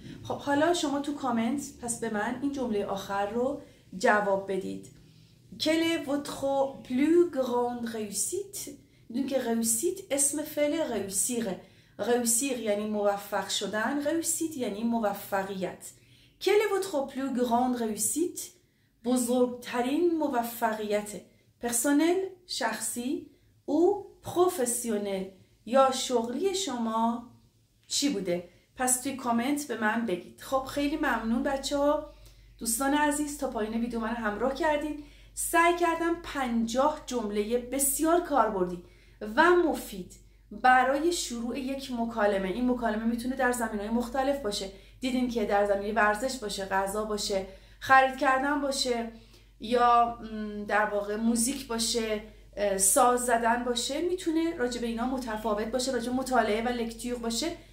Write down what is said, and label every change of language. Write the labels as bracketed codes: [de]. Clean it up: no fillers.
[fa] خب حالا شما تو کامنت پس به من این جمله آخر رو جواب بدید. [fr] Quel est votre plus grande réussite؟ [fa] دون که رئوسیت اسم فعل رئوسیره. رئوسیر یعنی موفق شدن. رئوسیت یعنی موفقیت. [fr] Quel est votre plus grande réussite؟ [fa] بزرگترین موفقیت. پرسونل شخصی او پروفسیونل یا شغلی شما چی بوده؟ پس توی کامنت به من بگید. خب خیلی ممنون بچه ها، دوستان عزیز، تا پایین ویدیو من همراه کردین. سعی کردم 50 جمله بسیار کاربردی و مفید برای شروع یک مکالمه، این مکالمه میتونه در زمینهای مختلف باشه، دیدین که در زمینه ورزش باشه، غذا باشه، خرید کردن باشه، یا در واقع موزیک باشه، ساز زدن باشه، میتونه راجع به اینا متفاوت باشه، راجع مطالعه و لکتیور باشه.